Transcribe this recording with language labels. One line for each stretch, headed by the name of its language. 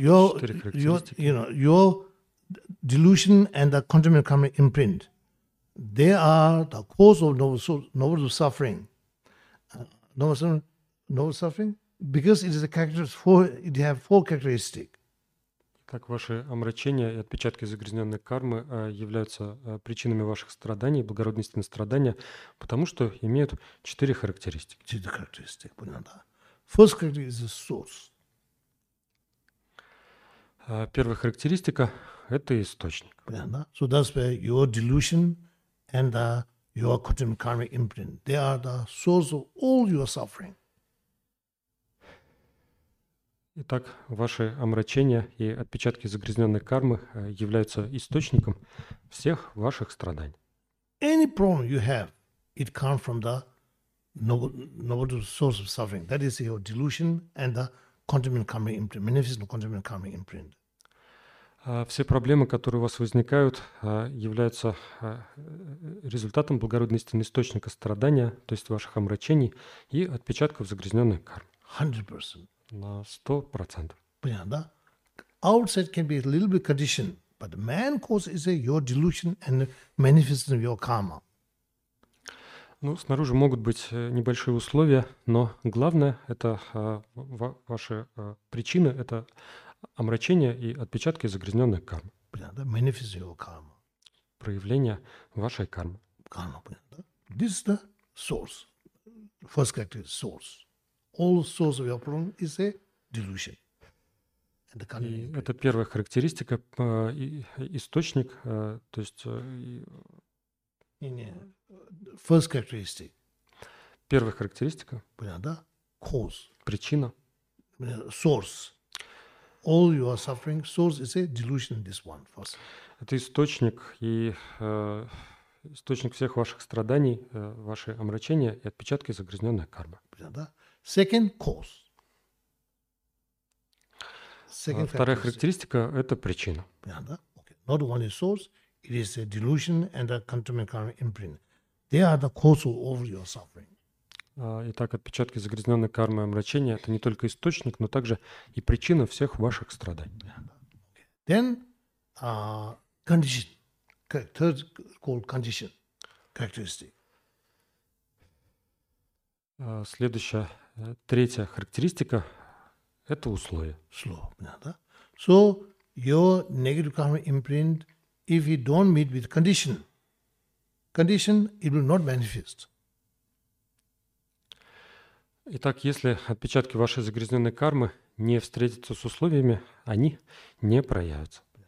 English: your delusion and the contaminant karma imprint, they are the cause of novel suffering. Novel suffering? Because it is a character, it has four characteristics.
Russian: Так, ваши омрачения и отпечатки загрязненной кармы являются причинами ваших страданий, благородности на страдания, потому что имеют четыре характеристики. Четыре характеристики, понятно, да.
English: First characteristic is the source.
Russian: Первая характеристика – это источник. Понятно, да?
English: So that's where your delusion and your contaminant karmic imprint, they are the source of all your suffering.
Russian: Итак, ваши омрачения и отпечатки загрязненной кармы являются источником всех ваших страданий.
English: any problem you have, it comes from the noble source of suffering. That is your delusion and the contaminant karma imprint, manifestation of contaminant karma imprint.
Russian: Все проблемы, которые у вас возникают, являются результатом благородности источника страдания, то есть ваших омрачений и отпечатков загрязненных карм.
English: 100%.
Russian: На 100%. Понятно, да?
English: Outside can be a little bit conditioned, but the main cause is your delusion and manifestation of your karma.
Russian: Ну, снаружи могут быть небольшие условия, но главное – это ваши причины, это омрачение и отпечатки загрязненных карм. Понятно, да?
English: Manifest your karma.
Russian: Проявление вашей кармы. Карма, понятно, да?
English: This is the source. First character is source. All source of your problem is a delusion. And the karma.
Russian: Это первая характеристика, источник, то есть... Не-не,
English: first characteristic.
Russian: Первая характеристика. Понятно, да?
English: Cause.
Russian: Причина.
English: Source. All you are suffering, source is a delusion, this one, first.
Russian: Это источник, и источник всех ваших страданий, ваши омрачения и отпечатки загрязненной кармы.
English: Second cause. Second
Russian: вторая характеристика – это причина.
English: Okay. Not only source, it is a delusion and a contaminant karma imprint. They are the cause of all your suffering.
Russian: Итак, отпечатки загрязненной кармы и омрачения – это не только источник, но также и причина всех ваших страданий.
English: Then condition. Third called condition. Characteristic.
Russian: Следующая, третья характеристика – это условия. Условия, да?
English: So your negative karma imprint, if you don't meet with condition, it will not manifest.
Russian: Итак, если отпечатки вашей загрязненной кармы не встретятся с условиями, они не проявятся.